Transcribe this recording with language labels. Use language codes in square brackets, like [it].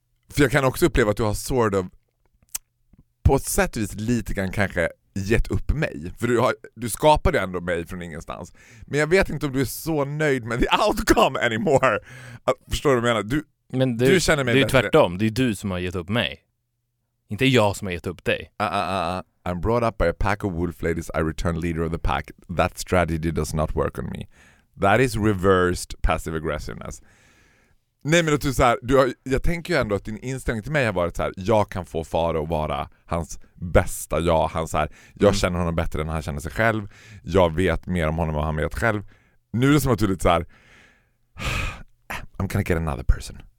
[sv] För jag kan också uppleva att du har [en] sort of, [sv] på ett sätt och vis lite grann kanske gett upp mig. För du skapade ändå mig från ingenstans. Men jag vet inte om du är så nöjd med [en] the outcome anymore. [sv] Förstår du vad jag menar? Du känner mig det bättre. Det är tvärtom. Det är du som har gett upp mig. Inte jag som har gett upp dig. [en] I'm brought up by a pack of wolf ladies. I return leader of the pack. That strategy does not work on me. That is reversed passive aggressiveness. [sv] Nej, men att du, så här, jag tänker ju ändå att din inställning till mig har varit så här: jag kan få fara och vara hans bästa jag. Han, så här, jag känner honom bättre än han känner sig själv. Jag vet mer om honom än han vet själv. Nu är det som att du är lite så här: [en] I'm gonna get another person.